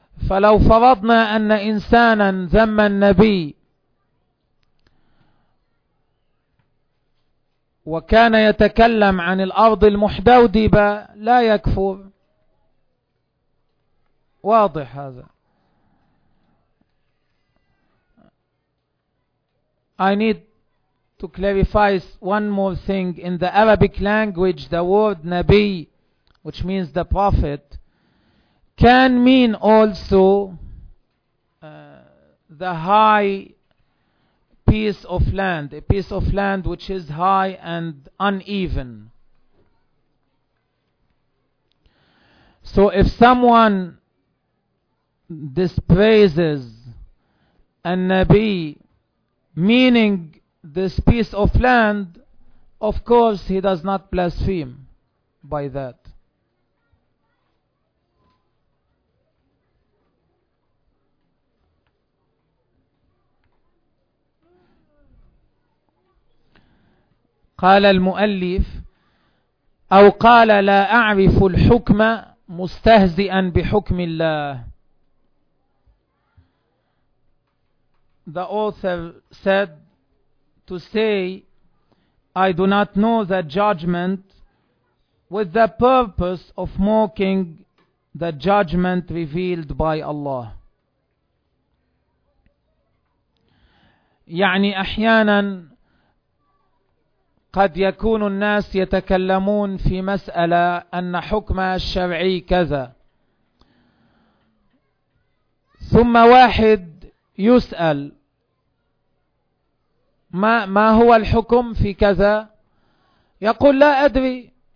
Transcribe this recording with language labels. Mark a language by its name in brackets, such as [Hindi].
[Arabic] فلو فرضنا أن إنسانا ذم النبي وكان يتكلم عن الأرض المحدودبة لا يكفر, واضح هذا. [English] I need to clarify one more thing. In the Arabic language, the word Nabi, which means the Prophet, can mean also the high piece of land, a piece of land which is high and uneven. So if someone dispraises an Nabi, meaning this piece of land, of course he does not blaspheme by that. [Arabic] قال المؤلف أو قال لا أعرف الحكم مستهزئا بحكم الله. [English] The author said to say I do not know the judgment with the purpose of mocking the judgment revealed by Allah. [Arabic] يعني أحيانا قد يكون الناس يتكلمون في مسألة أن حكمها الشرعي كذا, ثم واحد يسأل ما هو الحكم في كذا, يقول لا أدري.